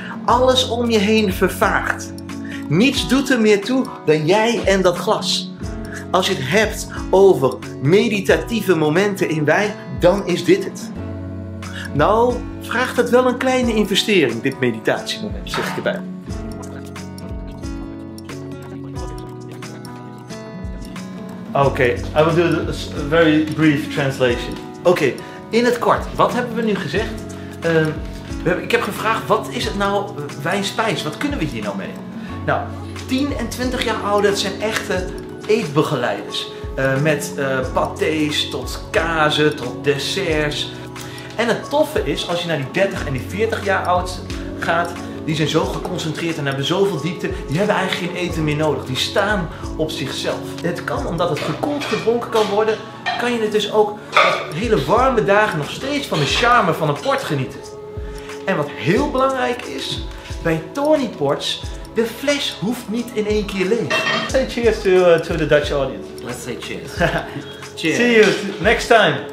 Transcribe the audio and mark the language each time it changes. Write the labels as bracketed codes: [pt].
[nl] Alles om je heen vervaagt. Niets doet er meer toe dan jij en dat glas. Als je het hebt over meditatieve momenten in wijn, dan is dit het. Nou, vraagt het wel een kleine investering, dit meditatiemoment, zeg ik erbij. [en] Oké, okay, I will do a very brief translation. [nl] Oké, in het kort, wat hebben we nu gezegd? Ik heb gevraagd, wat is het nou wijnspijs? Wat kunnen we hier nou mee? Nou, 10 en 20 jaar oude, dat zijn echte eetbegeleiders. Met patés tot kazen, tot desserts. En het toffe is, als je naar die 30 en die 40 jaar oud gaat, die zijn zo geconcentreerd en hebben zoveel diepte, die hebben eigenlijk geen eten meer nodig. Die staan op zichzelf. Het kan, omdat het gekoeld gedronken kan worden, kan je het dus ook op hele warme dagen nog steeds van de charme van een port genieten. En wat heel belangrijk is, bij Tawny Ports, de fles hoeft niet in één keer leeg. [en] Say cheers to the Dutch audience. Let's say cheers. Cheers. See you next time.